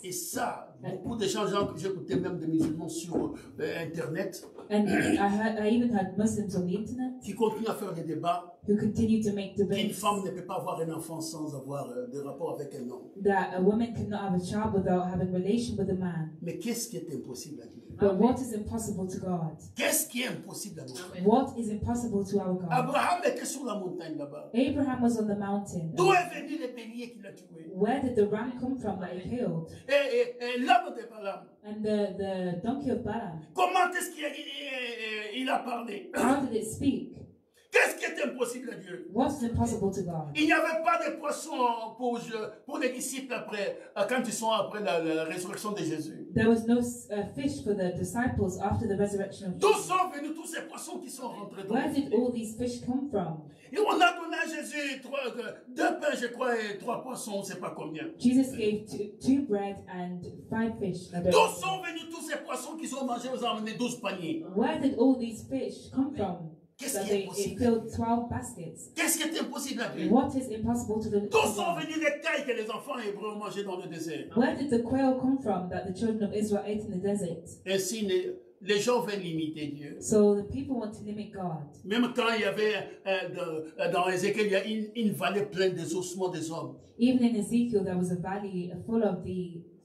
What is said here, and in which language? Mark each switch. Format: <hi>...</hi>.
<fr>Et ça, beaucoup de gens, genre, j'écoutais même des musulmans sur Internet,</fr> <en>and I even had Muslims on the Internet,</en> <fr>qui continuent à faire des débats,</fr> <en>who continue to make debates,</en> <fr>qu'une femme ne peut pas avoir un enfant sans avoir des rapports avec un homme,</fr> <en>that a woman cannot have a child without having a relation with a man.</en> <fr>Mais qu'est-ce qui est impossible à Dieu?</fr> <en>But what is impossible to God?</en> <fr>Qu'est-ce qui est impossible à nous?</fr> <en>What is impossible to our God?</en> <fr>Abraham était sur la montagne là-bas.</fr> <en>Abraham was on the mountain.</en> <fr>D'où est venu le bélier qui l'a tué?</fr> <en>Where did the ram come from that he killed?</en> <fr>Et l'âme de Balaam.</fr> <en>And the donkey of Balaam.</en> <fr>Comment est-ce qu'il a parlé?</fr> <en>How did it speak?</en> <fr>Qu'est-ce qui est impossible à Dieu?</fr> <en>What's impossible to God?</en> <fr>Il n'y avait pas de poisson pour les disciples après, quand ils sont après la résurrection de Jésus.</fr> <en>There was no fish for the disciples after the resurrection of Jesus.</en> <fr>D'où sont venus tous ces poissons qui sont rentrés dans le monde?</fr> <en>Where did all these fish come from?</en> <fr>Et on a donné à Jésus deux pains, je crois, et trois poissons, on ne sait pas combien.</fr> <en>Jesus gave two bread and five fish.</en> <fr>D'où sont venus tous ces poissons qu'ils ont mangés, ils ont amené 12 paniers?</fr> <en>Where did all these fish come from?</en> <fr>Qu'est-ce qui est impossible?</fr> <en>What is impossible to the?</en> <fr>D'où sont venus les cailles que les enfants hébreux ont mangées dans le désert?</fr> <en>Where did the quail come from that the children of Israel ate in the desert?</en> <fr>Ainsi, les gens veulent limiter Dieu.</fr> <en>So the people want to limit God.</en> <fr>Même quand il y avait dans Ézéchiel, il y a une vallée pleine des ossements des hommes.</fr> <en>Even in Ezekiel, there was a valley full of the</en>